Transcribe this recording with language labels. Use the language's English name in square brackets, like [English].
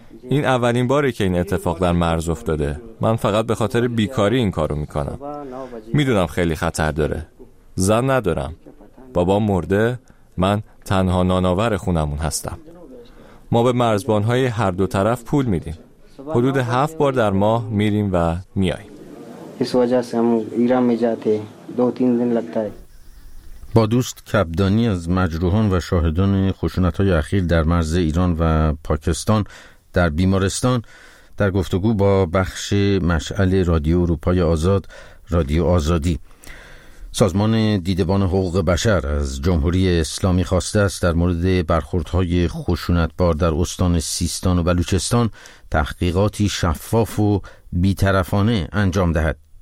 [Persian] این اولین باره که این اتفاق در مرز افتاده. من فقط به خاطر بیکاری این کارو میکنم. میدونم خیلی خطر داره. زن ندارم. بابام مرده. من تنها نانآور خونمون هستم. ما به مرزبانهای هر دو طرف پول میدیم. حدود 7 بار در ماه میریم و میاییم. [Urdu] اس وجہ سے ہم ایران میں جاتے ہیں. دو تین دن لگتا ہے. [Persian] با دوست کبدانی از مجروحان و شاهدان خشونت‌های اخیر در مرز ایران و پاکستان در بیمارستان در گفتگو با بخش مشعل رادیو اروپای آزاد، رادیو آزادی. سازمان دیدبان حقوق بشر از جمهوری اسلامی خواسته است در مورد برخوردهای خشونتبار در استان سیستان و بلوچستان تحقیقاتی شفاف و بی‌طرفانه انجام دهد.